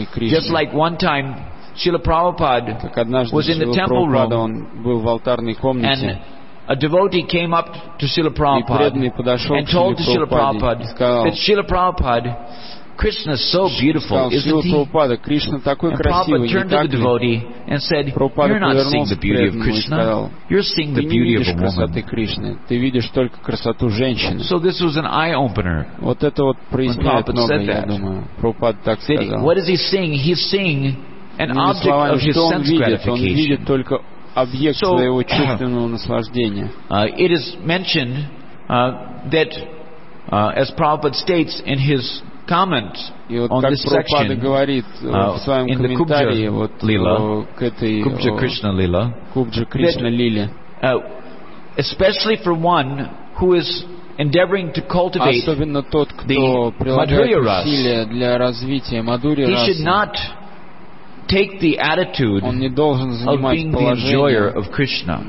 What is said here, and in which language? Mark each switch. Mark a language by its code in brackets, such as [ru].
[en] Just like one time Srila Prabhupada was in the temple room and a devotee came up to Srila Prabhupada and told to Srila Prabhupada that Srila Prabhupada, Krishna is so beautiful, isn't he? And Prabhupada turned to the devotee and said, you're not seeing the beauty of Krishna. You're seeing the beauty of a woman. [ru] Ты видишь только красоту женщины. [en] So this was an eye-opener. [ru] Вот это вот проясняет многое, я думаю. Прабхупада так сказал. [en] What is he seeing? He's seeing an object of his sense gratification. [ru] Он видит только объект своего чувственного наслаждения. [en] It is mentioned that, as Prabhupada states in his comment on this section in the Kubja Krishna Lila, especially for one who is endeavoring to cultivate the Madhurya Rasa, he should not take the attitude of being the enjoyer of Krishna.